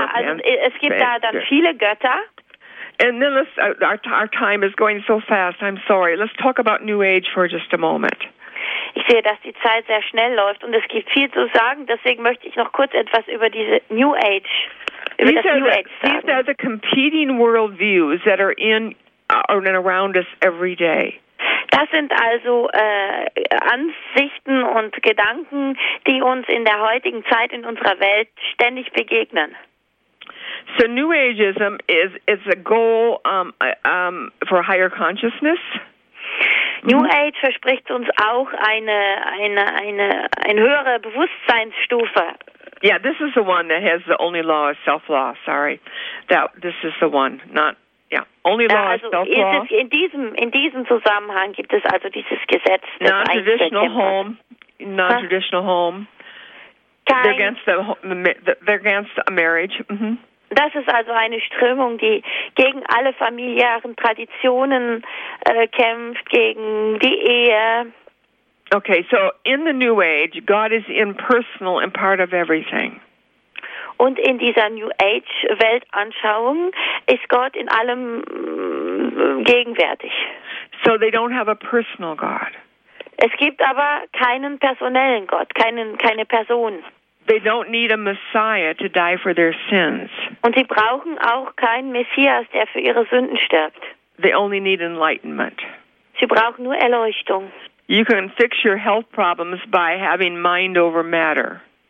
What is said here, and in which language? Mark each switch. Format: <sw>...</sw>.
<de>Ja, also es gibt da dann viele Götter.</de> <en>And then our time is going so fast, I'm sorry. Let's talk about New Age for just a moment.</en> <de>Ich sehe, dass die Zeit sehr schnell läuft und es gibt viel zu sagen, deswegen möchte ich noch kurz etwas über diese New Age, sagen.</de> <en>These are the competing world views that are in and around us every day.</en> <de>Das sind also Ansichten und Gedanken, die uns in der heutigen Zeit in unserer Welt ständig begegnen.</de> <en>So New Ageism is a goal for higher consciousness.</en> <de>New Age verspricht uns auch eine höhere Bewusstseinsstufe.</de> <en>Yeah, this is the one that has the only law is self-law. Sorry, this is the one, not. Yeah, only law</en> <de>also</de> <en>is self-law.</en> <de>In diesem Zusammenhang gibt es also dieses Gesetz.</de> <en>Non-traditional home. They're against a marriage. Mm-hmm.</en> <de>Das ist also eine Strömung, die gegen alle familiären Traditionen kämpft, gegen die Ehe.</de> <en>Okay, so in the New Age, God is impersonal and part of everything.</en> <de>Und in dieser New Age Weltanschauung ist Gott in allem gegenwärtig.</de> <en>So they don't have a personal God.</en> <de>Es gibt aber keinen personellen Gott, keine Person.</de> <en>They don't need a Messiah to die for their sins.</en> <de>Und sie brauchen auch keinen Messias, der für ihre Sünden stirbt.</de> <en>They only need enlightenment.</en> <de>Sie brauchen nur Erleuchtung.</de> <en>You can fix your health problems by having mind over matter.</en>